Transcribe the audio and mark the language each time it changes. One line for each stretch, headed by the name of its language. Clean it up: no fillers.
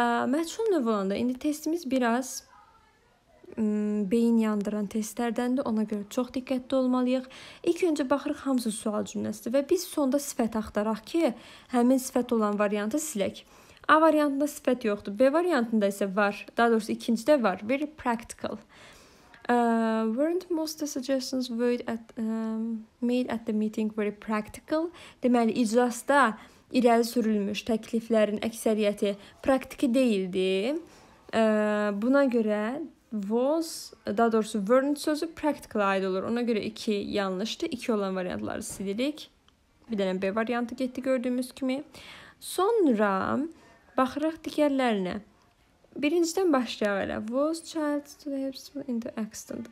Azerbaijani: Məçhul növ olanda, indi testimiz biraz beyin yandıran testlərdəndir. Ona görə çox diqqətli olmalıyıq. İlk öncə baxırıq hamısı sual cümləsidir və biz sonda sifət axtaraq ki, həmin sifət olan variantı silək. A variantında sifət yoxdur. B variantında isə var. Daha doğrusu ikinci də var.
English: Very practical. Weren't most the suggestions made at the meeting very practical?
Azerbaijani: Deməli, iclasda irəli sürülmüş təkliflərin əksəriyyəti praktiki deyildi. Buna görə was, daha doğrusu weren't sözü practical aid olur. Ona görə iki yanlışdır. İki olan variantları silirik. Bir dənə B variantı getdi gördüyümüz kimi. Sonra baxırıq digərlərinə. Birincidən başlayaq elə.
English: Was child to the hospital in the accident.